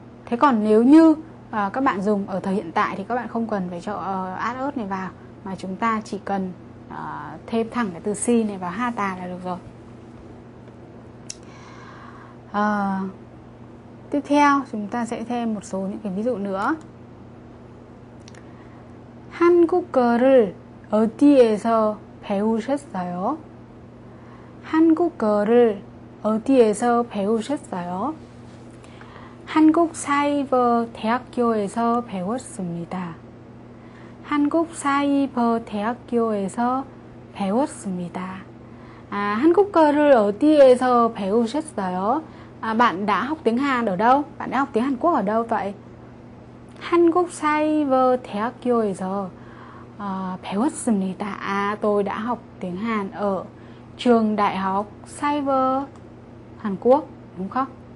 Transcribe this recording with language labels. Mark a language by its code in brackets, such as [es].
[vi] Thế còn nếu như các bạn dùng ở thời hiện tại thì các bạn không cần phải cho add ớt này vào, mà chúng ta chỉ cần thêm thẳng cái từ si này vào ha ta là được rồi. Tiếp theo chúng ta sẽ thêm một số những cái ví dụ nữa. [ko] 한국어를 어디에서 배우셨어요? 한국어를 어디에서 배우셨어요? 한국 사이버 대학교에서 배웠습니다. 한국 사이버 대학교에서 배웠습니다. 한국어를 어디에서 배우셨어요? [vi] Bạn đã học tiếng Hàn ở đâu? Bạn đã học tiếng Hàn Quốc ở đâu vậy? [ko] 한국 사이버 대학교에서 배웠습니다. [vi] Tôi đã học tiếng Hàn ở trường đại học Cyber Hàn Quốc, đúng không?